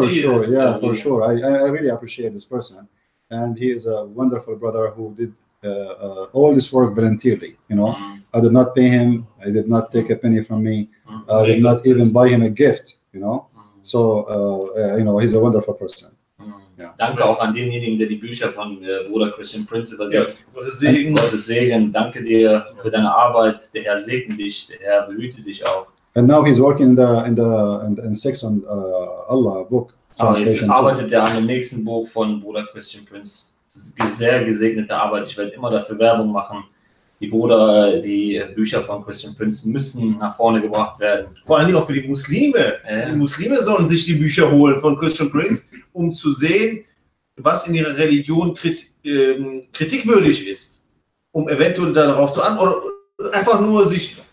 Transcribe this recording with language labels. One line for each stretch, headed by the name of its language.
English: sure. Yeah, for sure. I really appreciate this person. And he is a wonderful brother who did all this work voluntarily. You know, mm-hmm. I did not pay him. I did not take a penny from me. Mm-hmm. I did not even buy him a gift, you know. Mm-hmm. So, you know, he's a wonderful person. Yeah.
German: Danke auch an denjenigen, der die Bücher von Bruder Christian Prinz übersetzt. Gottes Segen. Gottes Segen. Danke dir für deine Arbeit. Der Herr segne dich. Der Herr behüte dich auch.
English: And now he's working in Sex on Allah book.
German: Jetzt arbeitet er an dem nächsten Buch von Bruder Christian Prinz. Sehr gesegnete Arbeit. Ich werde immer dafür Werbung machen. Die Bücher von Christian Prinz müssen nach vorne gebracht werden. Vor allen Dingen auch für die Muslime. Ja. Die Muslime sollen sich die Bücher holen von Christian Prinz, um zu sehen, was in ihrer Religion kritikwürdig ist. Um eventuell darauf zu antworten. Oder einfach nur sich